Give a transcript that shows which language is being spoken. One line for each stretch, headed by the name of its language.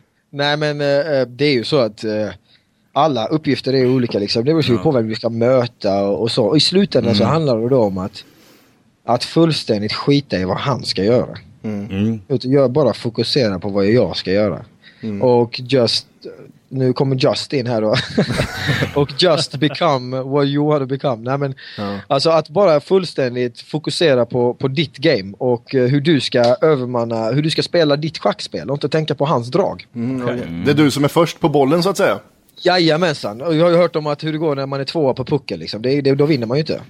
Swedish: Nej, men det är ju så att alla uppgifter är olika liksom. Det beror på vem vi ska möta och så. Och i slutändan så handlar det då om att fullständigt skita i vad han ska göra. Utan jag bara fokusera på vad jag ska göra. Mm. Och just, nu kommer Just in här då.
English: Och just become what you want to become.
Swedish: Nej, men alltså att bara fullständigt fokusera på ditt game och hur du ska övermanna, hur du ska spela ditt schackspel och inte tänka på hans drag. Det är du som är först på bollen så att säga. Jajamensan, och jag har ju hört om att hur det går när man är tvåa på pucken liksom. Då vinner man ju inte.